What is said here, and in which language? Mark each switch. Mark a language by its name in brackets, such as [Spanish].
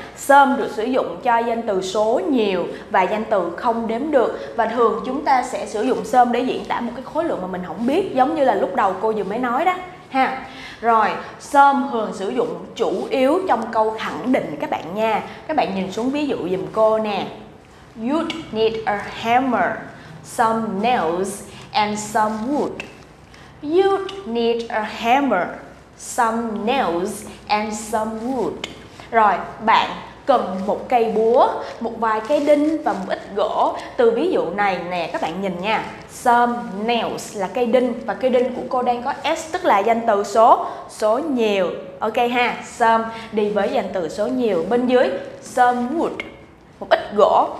[Vietnamese] Some được sử dụng cho danh từ số nhiều và danh từ không đếm được. Và thường chúng ta sẽ sử dụng some để diễn tả một cái khối lượng mà mình không biết, giống như là lúc đầu cô vừa mới nói đó ha. Rồi, some thường sử dụng chủ yếu trong câu khẳng định các bạn nha. Các bạn nhìn xuống ví dụ giùm cô nè. [English] You'd need a hammer, some nails and some wood. You'd need a hammer, some nails and some wood. [Vietnamese] Rồi, bạn cần một cây búa, một vài cây đinh và một ít gỗ. Từ ví dụ này nè, các bạn nhìn nha. Some nails là cây đinh. Và cây đinh của cô đang có S, tức là danh từ số nhiều. Ok ha, some đi với danh từ số nhiều. Bên dưới, some wood, một ít gỗ.